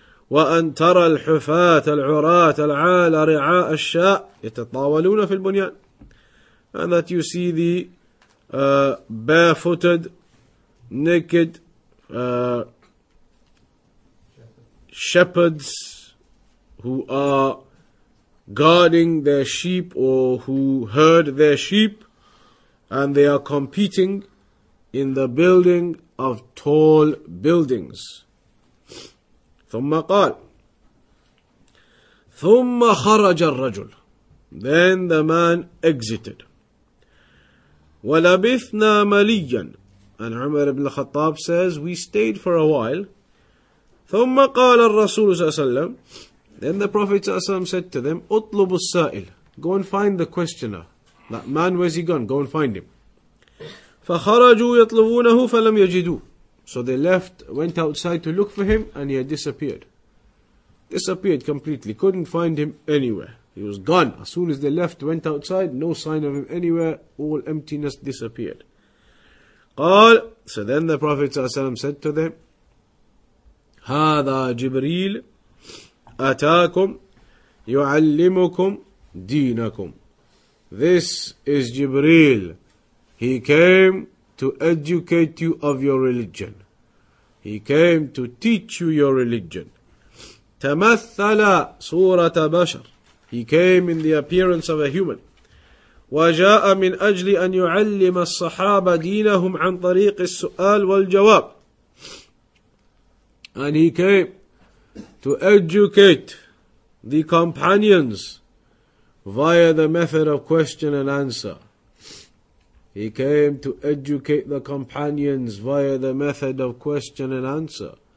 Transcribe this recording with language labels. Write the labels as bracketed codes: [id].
[ar] وأن ترى الحفاة العراة العال رعاء الشاء يتطاولون في البنيان. [en] And that you see the barefooted, naked shepherds who are guarding their sheep or who herd their sheep, and they are competing in the building of tall buildings. [ar] ثم قال ثم خرج الرجل. [en] Then the man exited. [ar] ولبثنا مليا. [en] And Umar ibn al-Khattab says, we stayed for a while. [ar] ثم قال الرسول صلى الله عليه وسلم. [en] Then the Prophet صلى الله عليه وسلم said to them, [ar] اطلب السائل. [en] Go and find the questioner. That man, where's he gone? Go and find him. [ar] فخرجوا يطلبونه فلم يجدوا. [en] So they left, went outside to look for him, and he had disappeared. Disappeared completely. Couldn't find him anywhere. He was gone. As soon as they left, went outside, no sign of him anywhere. All emptiness disappeared. [ar] قال, [en] so then the Prophet صلى الله عليه وسلم said to them, [ar] هذا جبريل أتاكم يعلمكم دينكم. [en] This is جبريل. He came to educate you of your religion. He came to teach you your religion. [ar] تمثل صورة بشر. [en] He came in the appearance of a human. [ar] وجاء من أجل أن يعلم الصحابة دينهم عن طريق السؤال والجواب. [en] And he came to educate the companions via the method of question and answer. He came to educate the companions via the method of question and answer.